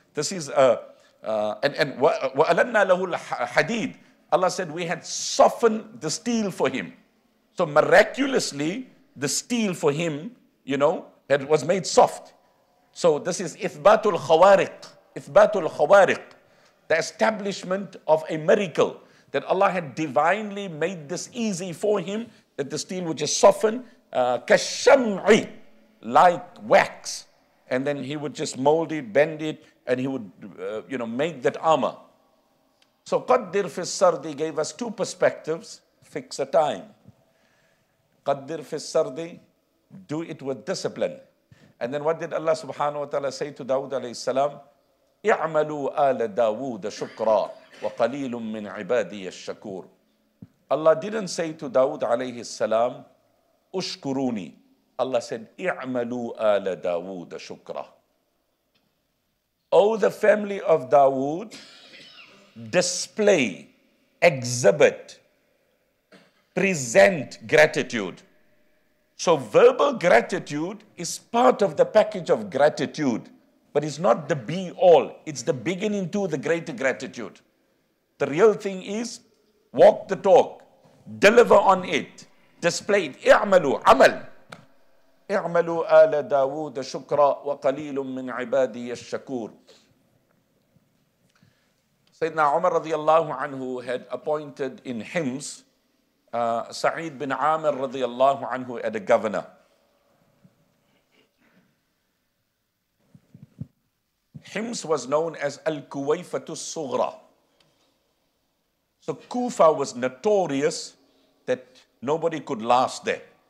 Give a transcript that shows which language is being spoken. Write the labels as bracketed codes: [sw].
[en] This is [ar] وَأَلَنَّا لَهُ الْحَدِيدِ. [en] Allah said we had softened the steel for him. So miraculously, the steel for him, you know, had, was made soft. So this is [ar] إِثْبَاتُ الْخَوَارِقِ. إِثْبَاتُ الْخَوَارِقِ. [en] The establishment of a miracle that Allah had divinely made this easy for him, that the steel would just soften, كَالشَّمْعِ, like wax. And then he would just mold it, bend it, and he would, you know, make that armor. So Qaddir fi sardi gave us two perspectives. Fix a time. Qaddir fi sardi, do it with discipline. And then what did Allah subhanahu wa ta'ala say to Dawood alayhi salam? [ar] اعملوا آل داود شكرا وقليل من عبادي الشكور. [en] Allah didn't say to Dawood alayhi salam, اشكروني. [ar] Allah said, اعملوا آل داود شكرا. [en] Oh, the family of Dawood, display, exhibit, present gratitude. So verbal gratitude is part of the package of gratitude, but it's not the be all. It's the beginning to the greater gratitude. The real thing is walk the talk, deliver on it, display it. [ar] اعملوا, عمل. اعملوا آل داود شكرا وقليل من عبادي الشكور. [en] Sayyidina Umar radiallahu anhu had appointed in Hims Sa'id bin Amir radiallahu anhu as a governor. Hims was known as Al-Kuwaifatu Sughra. So Kufa was notorious that nobody could last there.